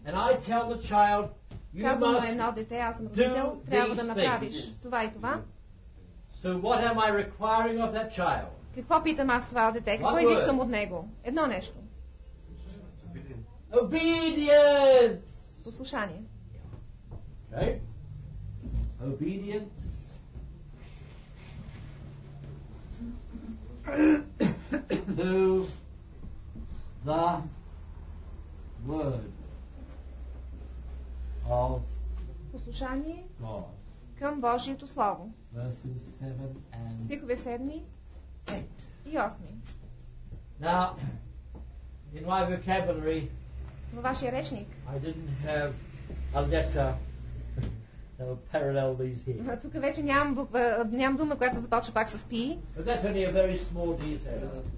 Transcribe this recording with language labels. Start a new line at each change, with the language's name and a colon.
English: and I tell the child, you must
Bulgarian: едно дете, аз съм родител, трябва да направиш това и това.
English: So what am I requiring of that child?
Bulgarian: Какво питам аз това дете? Какво изискам от него? Едно нещо.
English: Obedience!
Bulgarian: Послушание.
English: Okay. Obedience. To the word of
Bulgarian: послушание
English: God.
Bulgarian: Към Божието Слово.
English: Verses 7 and
Bulgarian: стихове 7.
English: Eight.
Bulgarian: И осми.
English: Now, in my vocabulary,
Bulgarian: във вашия речник,
English: I didn't have a letter that would parallel these here.
Bulgarian: Тук вече нямам дума, която започва пак с P.
English: But that's only a very small detail.